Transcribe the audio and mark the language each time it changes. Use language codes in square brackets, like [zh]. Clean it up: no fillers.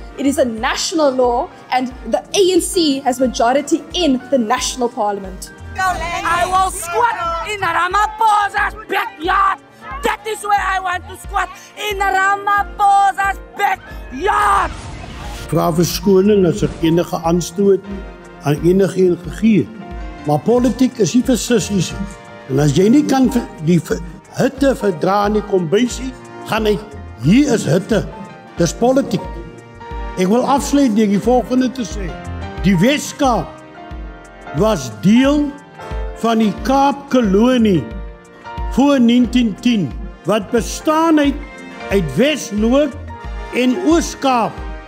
[en] It is a national law, and the ANC has majority in the national parliament. I will squat in Ramaphosa's backyard. That is where I want to squat, in Ramaphosa's backyard. [af] Vra verskoning as ek enige aanstoot aan enigeen gegee. Maar politiek is nie vir sissies. En as jy nie kan die hitte verdra in die kombuisie, gaan ek, hier is hitte, dis politiek. Ek wil afsluit deur die volgende te sê. Die Weskaap was deel van die Kaapkolonie voor 1910, wat bestaan uit Wes-Noord en Oos-Kaap.